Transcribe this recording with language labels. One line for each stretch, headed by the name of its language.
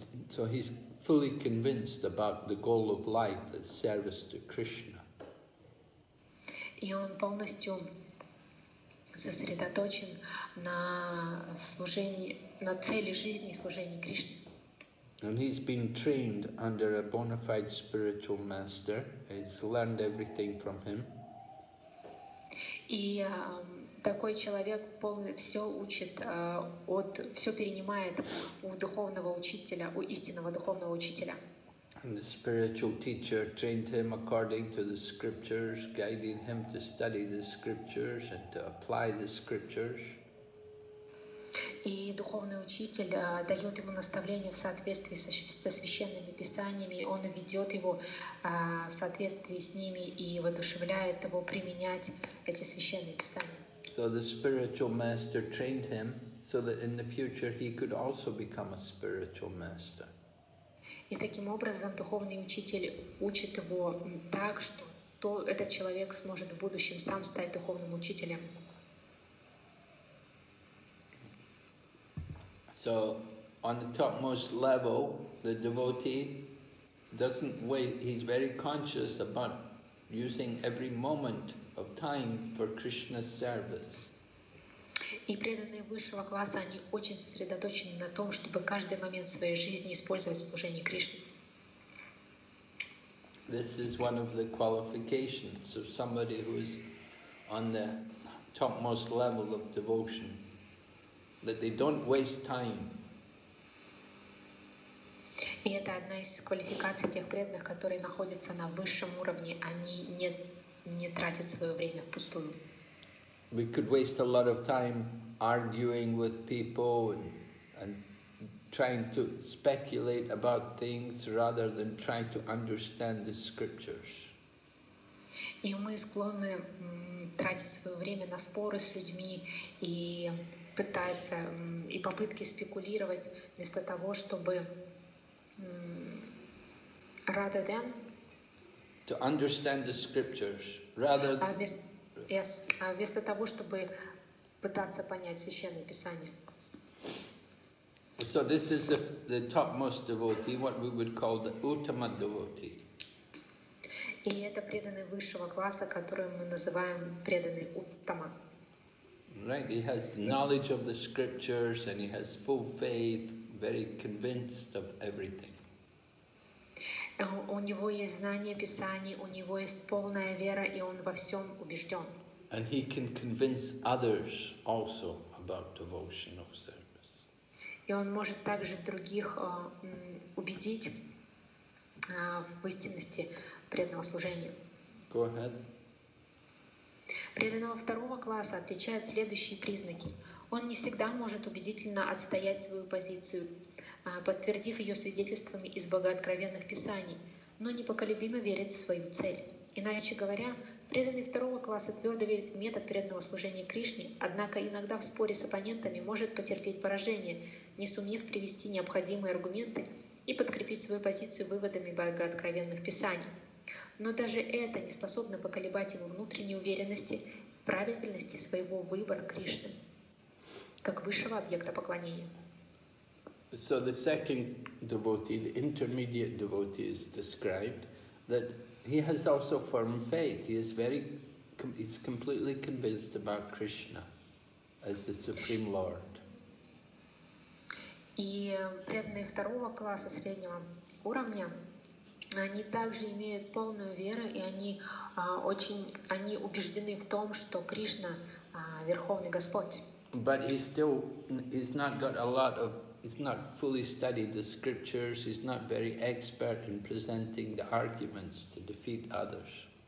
English: So he's fully convinced about the goal of life as service to Krishna.
Russian: И он полностью сосредоточен на служении, на цели жизни и служении Кришне.
English: And he's been trained under a bona fide spiritual master. He's learned everything from him.
Russian: И такой человек все учит от, все перенимает у духовного учителя, у истинного духовного учителя.
English: And the spiritual teacher trained him according to the scriptures, guiding him to study the scriptures and to apply the scriptures.
Russian: И духовный учитель дает ему наставление в соответствии со священными писаниями, он ведет его в соответствии с ними и воодушевляет его применять эти священные писания.
English: So the spiritual master trained him so that in the future he could also become a spiritual master.
Russian: И таким образом духовный учитель учит его так, что этот человек сможет в будущем сам стать духовным учителем.
English: So on the topmost level, the devotee doesn't wait. He's very conscious about using every moment of time for Krishna's service.
Russian: И преданные высшего класса, они очень сосредоточены на том, чтобы каждый момент своей жизни использовать в служении Кришне.
English: This is one of the qualifications of somebody who is on the topmost level of devotion, that they don't waste time.
Russian: И это одна из квалификаций тех преданных, которые находятся на высшем уровне, они не тратят свое время впустую.
English: We could waste a lot of time arguing with people and trying to speculate about things rather than trying to understand the scriptures.
Russian: И мы склонны тратить свое время на споры с людьми и пытаться и попытки спекулировать вместо того, чтобы
English: rather than to understand the scriptures rather than
Russian: Вместо того, чтобы пытаться понять Священное Писание.
English: So this is the topmost devotee, what we would call the Uttama devotee.
Russian: И это преданный высшего класса, который мы называем преданный Уттама.
English: Right, he has knowledge of the scriptures and he has full faith, very convinced of everything.
Russian: У него есть знание Писаний, у него есть полная вера, и он во всем убежден.
English: And he can convince others also about devotional service.
Russian: И он может также других убедить в истинности преданного служения.
English: Go ahead.
Russian: Преданного второго класса отличают следующие признаки. Он не всегда может убедительно отстоять свою позицию, подтвердив ее свидетельствами из богооткровенных писаний, но непоколебимо верит в свою цель. Иначе говоря, преданный второго класса твердо верит в метод преданного служения Кришне, однако иногда в споре с оппонентами может потерпеть поражение, не сумев привести необходимые аргументы и подкрепить свою позицию выводами богооткровенных писаний. Но даже это не способно поколебать его внутренней уверенности в правильности своего выбора Кришны как высшего объекта поклонения.
English: So the second devotee, the intermediate devotee, is described that he has also firm faith. He is completely convinced about Krishna as the Supreme Lord.
Russian: И преданные второго класса среднего уровня, они также имеют полную веру, и они они убеждены в том, что Кришна Верховный Господь.
English: But he's not got a lot of, he's not fully studied the scriptures, he's not very expert in presenting the arguments to defeat others.